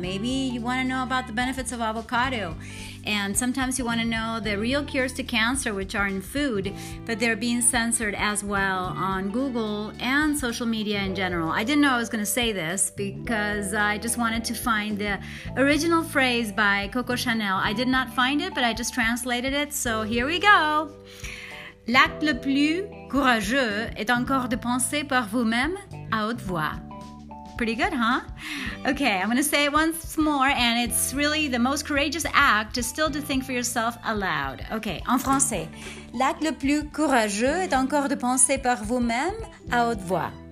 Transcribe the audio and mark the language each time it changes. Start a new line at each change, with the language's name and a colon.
English: Maybe you want to know about the benefits of avocado. And sometimes you want to know the real cures to cancer, which are in food, but they're being censored as well on Google and social media in general. I didn't know I was going to say this because I just wanted to find the original phrase by Coco Chanel. I did not find it, but I just translated it. So here we go.
French: L'acte le plus courageux est encore de penser par vous-même à haute voix.
English: Pretty good, huh? Okay, I'm going to say it once more, and it's really the most courageous act is still to think for yourself aloud.
French: Okay, en français. L'acte le plus courageux est encore de penser par vous-même à haute voix.